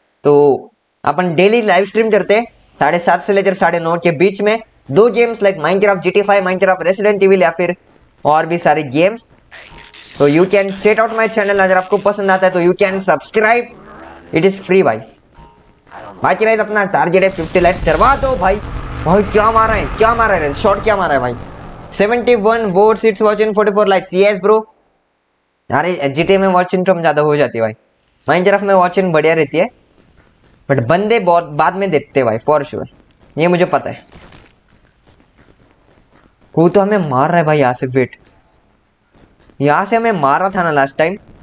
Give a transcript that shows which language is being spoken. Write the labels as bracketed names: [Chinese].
[Hindi] तो अपन daily live stream करते हैं 7:30 से लेकर 9:30 के बीच में, दो games like Minecraft GTA 5, Minecraft resident evil या फिर और भी सारे गेम्स। तो [English] you can check out my channel, [Hindi] अगर आपको पसंद आता है तो [English] you can subscribe, it is free [Hindi] भाई। बाकी गाइस अपना टारगेट है 50 लाइक्स, करवा दो भाई। भाई क्या मारा है, क्या मारा है शॉट, क्या मारा है भाई। [English] 71 votes, it's watching 44 likes. Yes, bro. [Hindi] अरे GTA में watching कम ज़्यादा हो जाती है भाई, Minecraft में watching बढ़िया रहती है, बट बंदे बहुत बाद में देखते भाई, फॉर श्योर ये मुझे पता है। वो तो हमें मार रहा है भाई यहाँ से, वेट यहाँ से हमें मारा था ना लास्ट टाइम।